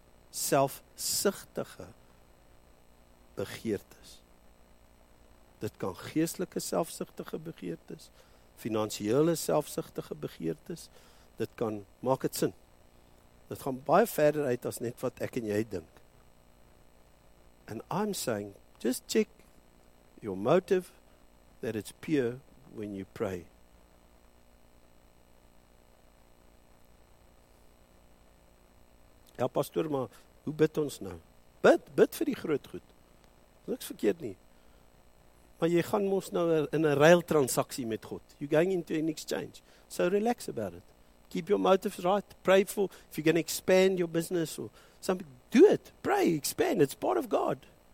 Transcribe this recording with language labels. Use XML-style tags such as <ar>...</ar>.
<af>Selfsugtige begeertes. Dit kan geestelike selfsugtige begeertes, finansiële selfsugtige begeertes, dit kan, maak dit sin. Dit gaan baie verder uit as net wat ek en jy dink.</af> <en>And I'm saying, just check your motive that it's pure when you pray.</en> <af>Ja, pastoor, maar hoe bid ons nou? Bid vir die groot goed. Niks verkeerd nie. Maar jy gaan mos nou in 'n ruiltransaksie met God.</af> <en>You're going into an exchange. So relax about it. Keep your motives right. Pray for, if you're going to expand your business or something, do it. Pray, expand. It's part of God.</en>